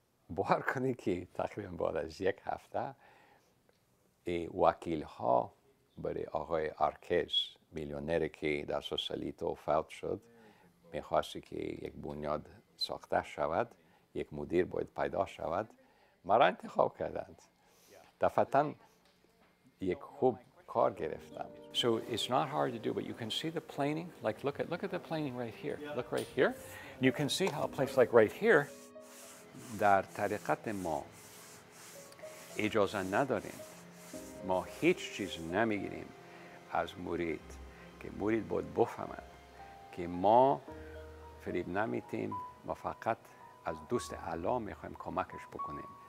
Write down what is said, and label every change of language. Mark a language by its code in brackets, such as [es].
[fa] باور کنی که تقریبا بعد از یک هفته وکیل ها برای آقای آرکز، میلیونری که در سوسالیتو فوت شد، میخواستی که یک بنیاد ساخته شود، یک مدیر باید پیدا شود، مرا انتخاب کردند. دفعتاً یک خوب کار گرفتم. [en] So it's not hard to do, but you can see the planing. Like look at the planing right here. Look right here. And you can see how a place like right here. [fa] در طریقت ما اجازه نداریم. ما هیچ چیز نمیگیریم از مورید که مورید باید بفهمد که ما فریب نمیتیم، ما فقط از دوست علا میخوایم کمکش بکنیم.